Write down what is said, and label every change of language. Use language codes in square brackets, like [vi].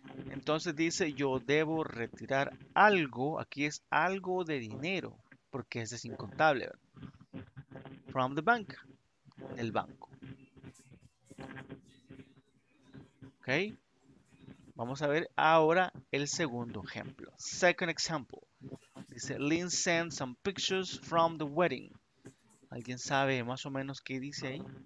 [es] Entonces dice, yo debo retirar algo. Aquí es algo de dinero, porque ese es incontable, ¿verdad? [en] From the bank, el banco. [es] Ok, vamos a ver ahora el segundo ejemplo. [en] Second example. Dice, Lynn sent some pictures from the wedding. [es] ¿Alguien sabe más o menos qué dice ahí?